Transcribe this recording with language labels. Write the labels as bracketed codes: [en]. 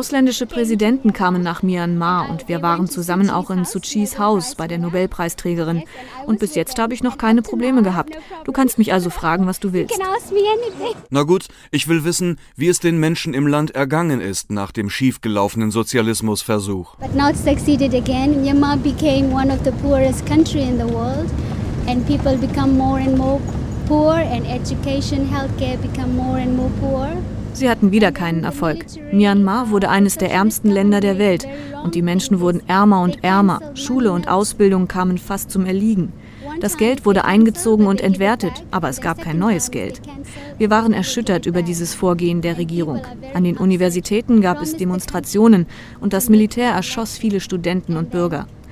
[de] Ausländische Präsidenten kamen nach Myanmar und wir waren zusammen auch in Suu Kyis Haus bei der Nobelpreisträgerin. Und bis jetzt habe ich noch keine Probleme gehabt. Du kannst mich also fragen, was du willst. Na gut, ich will wissen, wie es den Menschen im Land ergangen ist nach dem schiefgelaufenen Sozialismusversuch. [en] But not succeeded again. Myanmar became one of the poorest country in the world and people become more and more poor and education, healthcare become more and more poor. [de] Sie hatten wieder keinen Erfolg. Myanmar wurde eines der ärmsten Länder der Welt und die Menschen wurden ärmer und ärmer. Schule und Ausbildung kamen fast zum Erliegen. Das Geld wurde eingezogen und entwertet, aber es gab kein neues Geld. Wir waren erschüttert über dieses Vorgehen der Regierung. An den Universitäten gab es Demonstrationen und das Militär erschoss viele Studenten und Bürger.